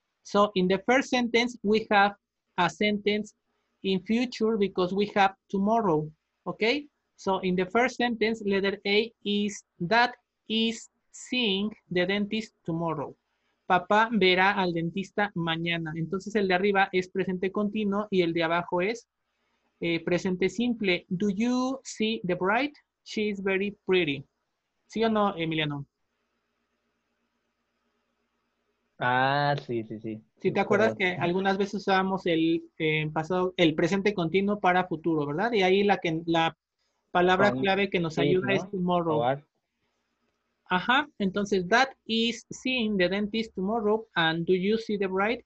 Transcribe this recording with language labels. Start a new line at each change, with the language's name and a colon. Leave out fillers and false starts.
English: So, in the first sentence, we have a sentence in future because we have tomorrow, okay? So in the first sentence, letter A is that is seeing the dentist tomorrow.
Spanish: Papá verá al dentista mañana. Entonces el de arriba es presente continuo y el de abajo es presente simple.
English: Do you see the bride? She is very pretty.
Spanish: ¿Sí o no, Emiliano? Ah, sí, sí, sí. Si te acuerdas que algunas veces usábamos el pasado, el presente continuo para futuro, ¿verdad? Y ahí la palabra clave que nos ayuda, ¿no?, es tomorrow. Ajá, entonces,
English: that is seeing the dentist tomorrow, and do you see the bride?